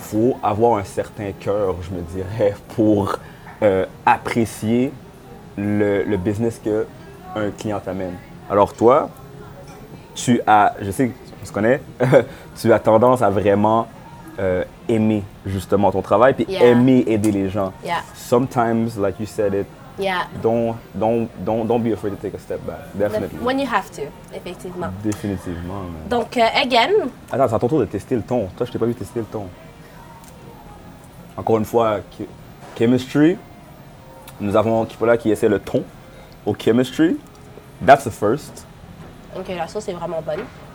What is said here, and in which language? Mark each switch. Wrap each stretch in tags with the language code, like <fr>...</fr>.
<fr>Faut avoir un certain cœur, je me dirais, pour apprécier le business qu'un client t'amène. Alors toi, tu as tendance à vraiment aimer justement ton travail, puis aimer aider les gens.</fr> <en>Yeah. Sometimes, like you said it, yeah. Don't be afraid to take a step back. Definitely. When you have to,</en> <fr>effectivement. Définitivement. Man. Donc,</fr> <en>again.</en> <fr>Attends, c'est à ton tour de tester le ton. Toi, je t'ai pas vu tester le ton. Encore une fois, chemistry. Nous avons Kipola qui essaie le ton au chemistry.</fr> <en>That's the first.</en> <fr>Ok, la sauce est vraiment bonne.</fr>